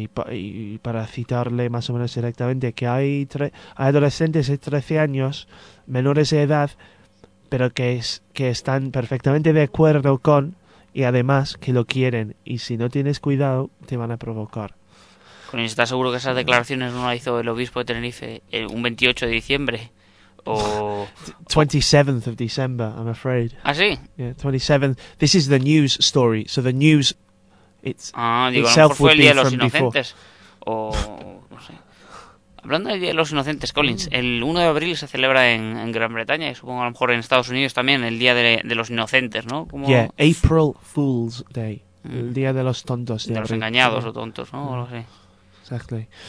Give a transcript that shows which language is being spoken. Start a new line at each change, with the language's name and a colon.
Spanish: Y para citarle más o menos directamente, que hay adolescentes de 13 años, menores de edad, pero que están perfectamente de acuerdo con, y además que lo quieren, y si no tienes cuidado, te van a provocar. Pues está seguro que esas declaraciones no las hizo el obispo de Tenerife un 28 de diciembre, o...
English: 27th of December, I'm afraid.
Spanish: ¿Ah, sí?
English: Yeah, 27th. This is the news story, so the news itself
Spanish: fue el Día de los Inocentes, o... Hablando del Día de los Inocentes, Collins, el 1 de abril se celebra en Gran Bretaña y supongo a lo mejor en Estados Unidos también el Día de los Inocentes, ¿no? Como...
English: Yeah, April Fool's Day,
Spanish: el Día de los Tontos. De los engañados o tontos, ¿no? O sea,
English: exactly.